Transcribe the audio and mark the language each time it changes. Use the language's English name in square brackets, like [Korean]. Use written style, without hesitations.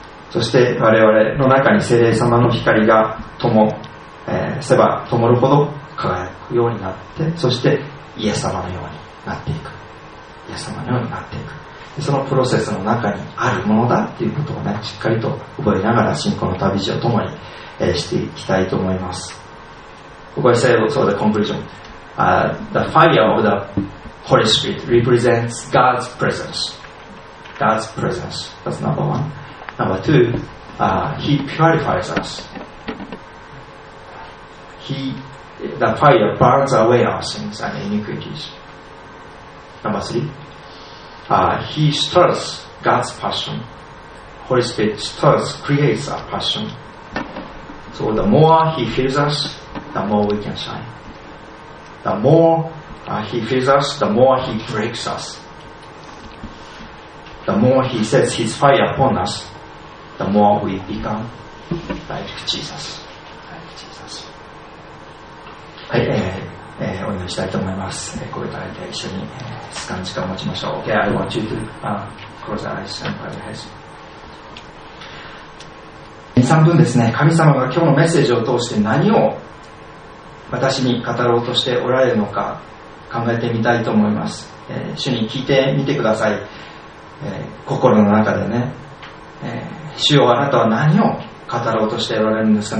[Japanese] そして我々の中に聖霊様の光が灯るほど輝くようになって、そしてイエス様のようになっていく、イエス様のようになっていく。そのプロセスの中にあるものだということをね、しっかりと覚えながら信仰の旅路を共にしていきたいと思います。ここで最後、そうだ、コンクルージョン。 [English] The fire of the Holy Spirit represents God's presence. God's presence. That's number one. Number two, He purifies us. The fire burns away our sins and iniquities. Number three, He stirs God's passion. Holy Spirit stirs, creates our passion. So the more He fills us,The more we can shine. The more he fills us, the more he breaks us. The more he sets his fire upon us, the more we become like Jesus. Like Jesus. [Japanese] はい、お祈りしたいと思います。これから一緒に時間を持ちましょう。 [English] Okay, I want you to close your eyes and pray your heads. [Japanese] 3分ですね。神様が今日のメッセージを通して何を私に語ろうとしておられるのか考えてみたいと思います。主に聞いてみてください。心の中でね、主よ、あなたは何を語ろうとしておられるんですか。